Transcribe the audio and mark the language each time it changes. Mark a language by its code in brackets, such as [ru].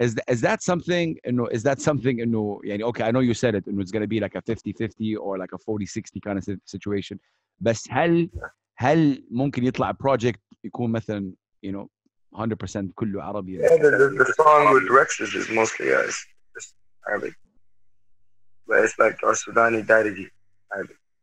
[en] Is that something, you know, [ar] يعني, [en] okay, I know you said it, you know, it's going to be like a 50-50 or like a 40-60 kind of situation. [ar] بس هل ممكن يطلع project يكون مثلا, [en] you know, [ar] 100% كله عربي. [en] Yeah, the song with Rex is mostly it's Arabic, but it's like our Sudani Dairy Arabic.